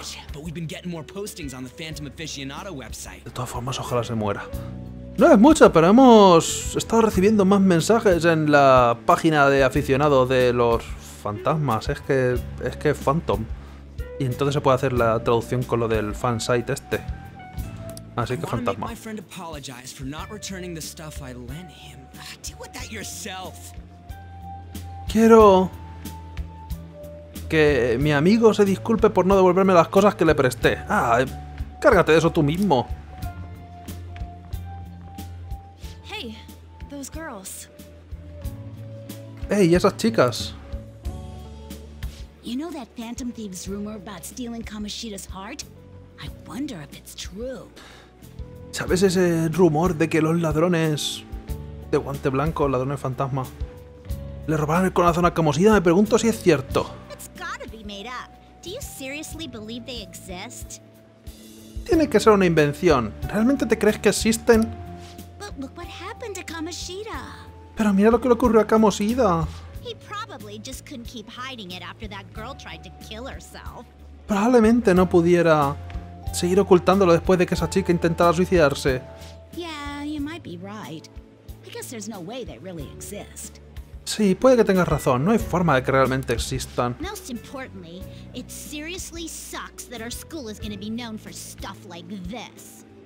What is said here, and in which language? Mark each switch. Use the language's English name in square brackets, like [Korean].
[Spanish] De todas formas, ojalá se muera. No es mucho, pero hemos estado recibiendo más mensajes en la página de aficionado de los fantasmas. Es que Phantom. Y entonces se puede hacer la traducción con lo del fansite este. Así que fantasma. [English] My friend apologized for not returning the stuff I lent him. Deal with that yourself. [Spanish] Quiero que mi amigo se disculpe por no devolverme las cosas que le presté. Ah, cárgate de eso tú mismo. [English] Hey, those girls. [Spanish] Hey, esas chicas. [English] You know that Phantom Thieves rumor about stealing Kamoshida's heart? I wonder if it's true. [Spanish] ¿Sabes ese rumor de que los ladrones de guante blanco, ladrones fantasma, le robaron el corazón a Kamoshida? Me pregunto si es cierto. [English] It's gotta be made up. Do you seriously believe they exist? [Spanish] Tiene que ser una invención. ¿Realmente te crees que existen? [English] But look what happened to Kamoshida. [Spanish] Pero mira lo que le ocurrió a Kamoshida. [English] He probably just couldn't keep hiding it after that girl tried to kill herself. [Spanish] Probablemente no pudiera seguir ocultándolo después de que esa chica intentara suicidarse. [English] Yeah, you might be right. I guess there's no way they really exist. [Spanish] Sí, puede que tengas razón. No hay forma de que realmente existan. [English] Most importantly, it seriously sucks that our school is going to be known for stuff like this.